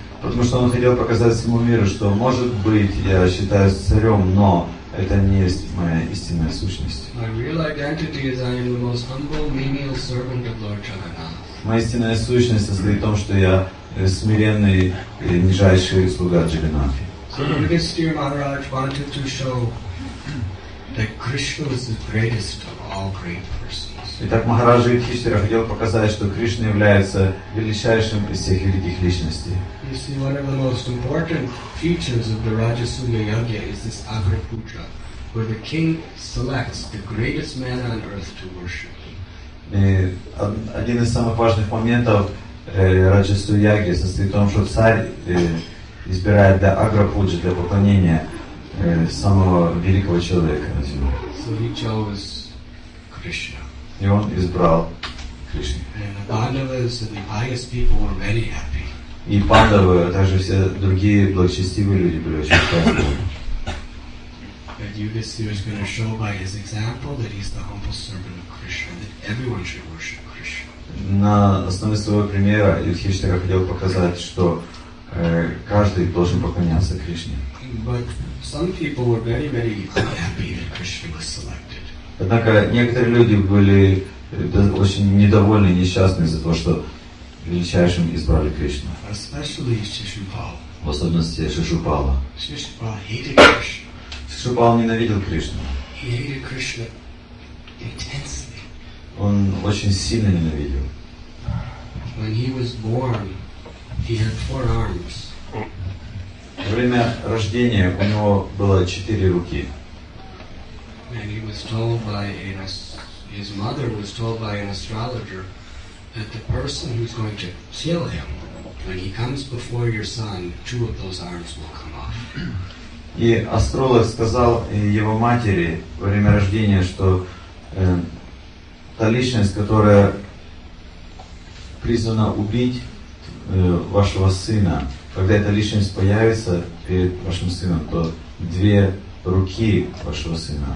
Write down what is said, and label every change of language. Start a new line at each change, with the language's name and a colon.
Russian: Потому что он хотел показать всему миру, что может быть я считаюсь царем, но это не есть моя истинная сущность.
English: My real identity is I am the most humble, menial servant of Lord Jagannath.
Russian: Моя истинная сущность состоит в том, что я смиренный и нижайший слуга Джаганнатхи.
English: So Yudhishthira Maharaj wanted to show that Krishna is the greatest of all great persons.
Russian: Итак, Махараджа Юдхиштхира хотел показать, что Кришна является величайшим из всех великих личностей.
English: You see, one of the most important features of the Rajasuya Yagya is this Agra Puja, where the king selects the greatest man on earth to worship.
Russian: И один из самых важных моментов Раджасу Яги состоит в том, что царь избирает для Агра-пуджи, для поклонения самого великого человека на земле.
English: So he chose Krishna.
Russian: И он избрал Кришну.
English: And the Pandavas and the pious people were very happy.
Russian: И Пандавы, а также все другие благочестивые люди были очень счастливы.
English: That Yudhisthira is going to show by his example that he's the humble servant of Krishna, that everyone should worship Krishna.
Russian: На основе своего примера Юдхиштхира хотел показать, что каждый должен поклоняться Кришне.
English: But some people were very, very unhappy that Krishna was selected.
Russian: Однако некоторые люди были очень недовольны, несчастны из-за того, что величайшим избрали Кришну.
English: Especially Шишупала.
Russian: В особенности Шишупала.
English: Шишупала hated Krishna.
Russian: Шишупал ненавидел Кришну.
English: He hated Krishna intensely.
Russian: Он очень сильно ненавидел.
English: When he was born, he had four arms.
Russian: Во время рождения у него было четыре руки.
English: And he was told by his mother was told by an astrologer that the person who's going to kill him when he comes before your son, two of those arms will come off.
Russian: И астролог сказал его матери во время рождения, что та личность, которая призвана убить вашего сына, когда эта личность появится перед вашим сыном, то две руки вашего сына